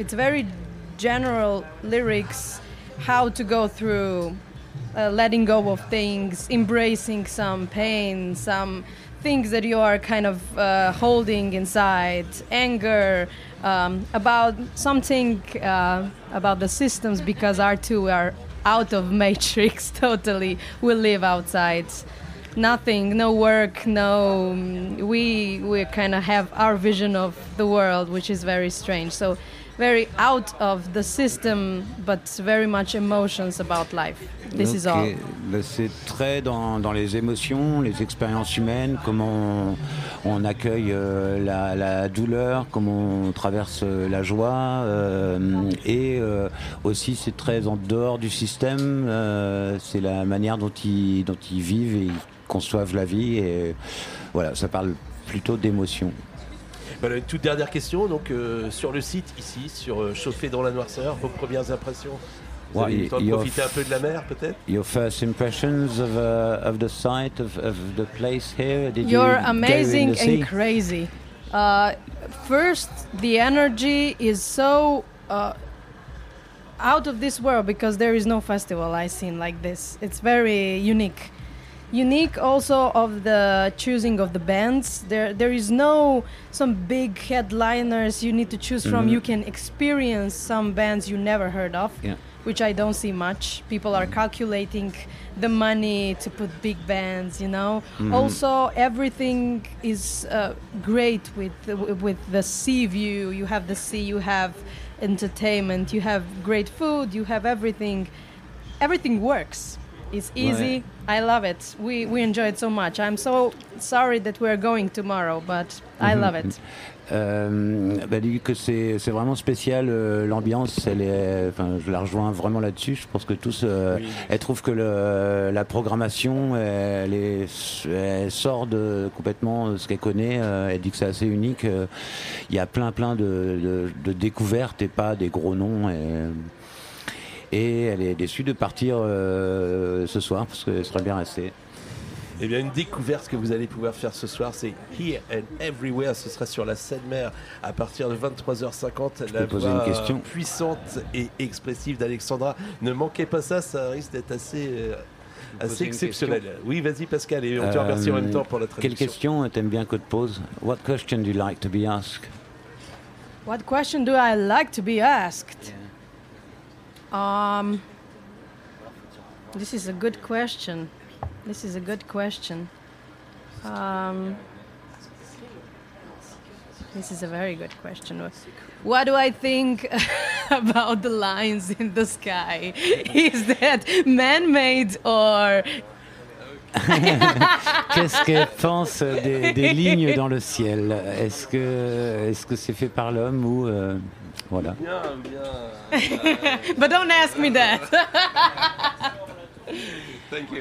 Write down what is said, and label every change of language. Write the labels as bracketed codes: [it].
[en] It's very general lyrics, how to go through letting go of things, embracing some pain, some things that you are kind of holding inside, anger, about something, about the systems, because R2 are out of matrix totally, we live outside nothing, no work, no. We kind of have our vision of the world, which is very strange. So, very out of the system, but very much emotions about life. This is all. [fr] C'est très dans les émotions, les expériences humaines, comment on accueille la douleur, comment on traverse la joie, et aussi c'est très en dehors du système. C'est la manière dont ils vivent et conçoivent la vie. Et voilà, ça parle plutôt d'émotions. Voilà, toute dernière question, donc sur le site ici, sur Chauffé dans la noirceur, vos premières impressions. Vous avez eu le temps de profiter un peu de la mer, peut-être. [en] Your first impressions of the site of the place here. Did you're you amazing and sea? Crazy. First, the energy is so out of this world because there is no festival I've seen like this. It's very unique. Unique also of the choosing of the bands. There is no some big headliners you need to choose from. You can experience some bands you never heard of, which I don't see much. People are calculating the money to put big bands, you know. Also, everything is great with the sea view. You have the sea, you have entertainment, you have great food, you have everything. Everything works. It's easy. Right. I love it. We enjoy it so much. I'm so sorry that we are going tomorrow, but I love it. [fr] Dit que c'est vraiment spécial l'ambiance. Je la rejoins vraiment là-dessus. Je pense que tous, elle trouve que la programmation, elle sort de complètement ce qu'elle connaît. Elle dit que c'est assez unique. Il y a plein de découvertes et pas des gros noms. Et elle est déçue de partir ce soir parce qu'elle serait bien restée. Eh bien, une découverte que vous allez pouvoir faire ce soir, c'est Here and Everywhere. Ce sera sur la Seine-Mer à partir de 23h50. Je peux poser une question. La voix puissante et expressive d'Alexandra. Ne manquez pas ça, ça risque d'être assez exceptionnel. Oui, vas-y Pascal, et on te remercie en même temps pour la traduction. Quelle question t'aimes bien que te pose? [en] What question do you like to be asked? What question do I like to be asked? Yeah. This is a good question. This is a good question. This is a very good question. What do I think about the lines in the sky? Is that man-made or... [fr] Qu'est-ce qu'elle pense des lignes dans le ciel? Est-ce que c'est fait par l'homme ou... Voilà. [en] But don't ask me that. Thank you.